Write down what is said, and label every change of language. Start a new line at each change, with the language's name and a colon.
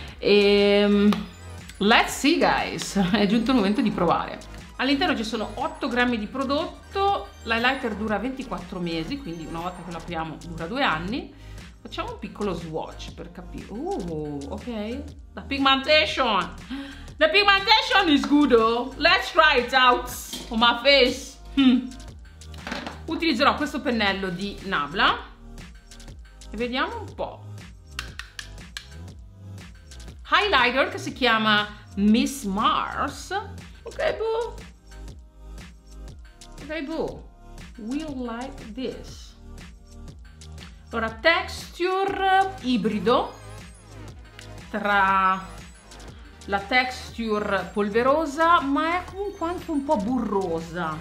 Italian: E
English: let's see guys,
Italian: è giunto il momento di provare. All'interno ci sono 8 grammi di prodotto, l'highlighter dura 24 mesi, quindi una volta che lo apriamo dura 2 anni. Facciamo un piccolo swatch per capire. Ok, la pigmentation.
English: The pigmentation is good, oh. Let's try it out on my face.
Italian: Utilizzerò questo pennello di Nabla e vediamo un po'. Highlighter che si chiama Miss Mars. Ok, boo. Ok, boo.
English: We like this.
Italian: Allora, texture ibrido tra la texture polverosa, ma è comunque anche un po' burrosa.